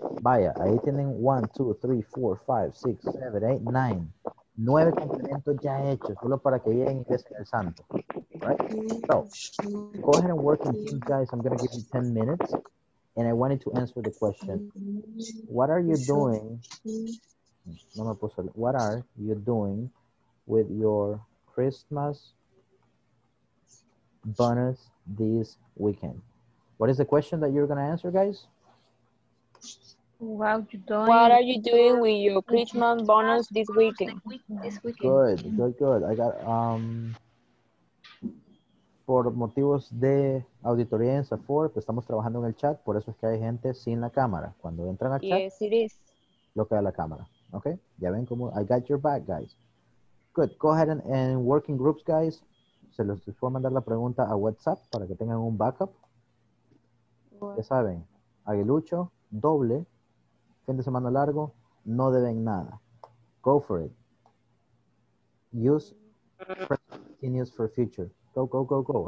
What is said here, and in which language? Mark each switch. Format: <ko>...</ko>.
<es>Vaya, ahí tienen 1, 2, 3, 4, 5, 6, 7, 8, 9. 9 complementos ya hechos, solo para que lleguen y que sea el santo.</es> <en>right? So, go ahead and work on teams, guys. I'm going to give you 10 minutes, and I wanted to answer the question. What are you doing? What are you doing with your Christmas bonus this weekend? What is the question that you're going to answer, guys? What are you doing with your Christmas bonus this weekend? Good, good, good. I got,</en> <es>por motivos de auditoría en INSAFORP, estamos trabajando en el chat, por eso es que hay gente sin la cámara. Cuando entran al chat,</es> <en>yes, it is.</en> <es>Lo que da la cámara.</es> <en>Okay,</en> <es>ya ven como,</es> <en>I got your back, guys. Good, go ahead and work in groups, guys.</en> <es>Se los voy a mandar la pregunta a WhatsApp para que tengan un backup. Ya saben, aguilucho, doble, fin de semana largo, no deben nada.</es> <en>Go for it. Use present continuous for future. Go, go, go, go.</en>